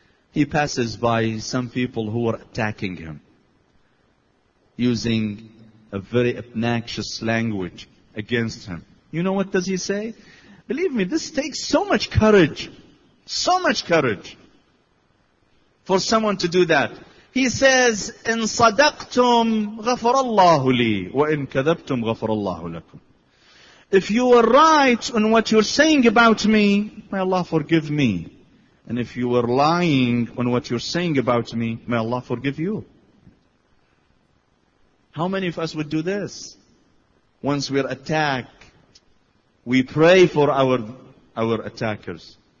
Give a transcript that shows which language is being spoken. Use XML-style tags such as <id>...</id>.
<en>He passes by some people who were attacking him, using a very obnoxious language against him. You know what does he say? Believe me, this takes so much courage. So much courage for someone to do that. He says,</en> <ar>إِن صَدَقْتُمْ غَفَرَ اللَّهُ لِي وَإِن كَذَبْتُمْ غَفَرَ اللَّهُ لَكُمْ.</ar> <en>If you were right on what you're saying about me, may Allah forgive me. And if you were lying on what you're saying about me, may Allah forgive you. How many of us would do this? Once we're attacked, we pray for our attackers.</en>